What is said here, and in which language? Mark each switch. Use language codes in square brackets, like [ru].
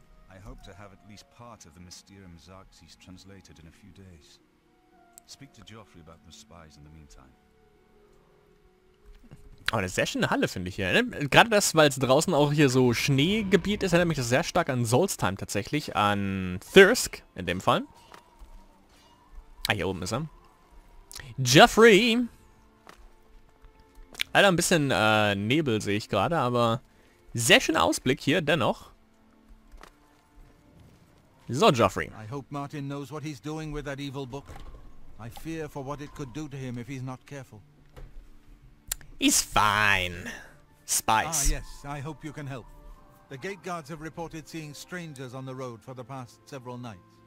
[en] I hope to have at least part of the Mysterium Xarxes translated in a few days. Speak to Joffrey about the spies in the meantime. [de] Oh, eine sehr schöne Halle, finde ich hier. Gerade das, weil es draußen auch hier so Schneegebiet ist, erinnert mich sehr stark an Solstheim tatsächlich, an Thirsk in dem Fall. Ah, hier oben ist er. Joffrey! Alter, ein bisschen Nebel sehe ich gerade, aber sehr schöner Ausblick hier, dennoch. So, Joffrey. [en] I hope Martin knows what he's doing with that evil book. I fear for what it could do to him if he's not careful. He's fine. Spice. Ah, yes, I hope you can help. The gate guards have reported seeing strangers on the road for the past several nights.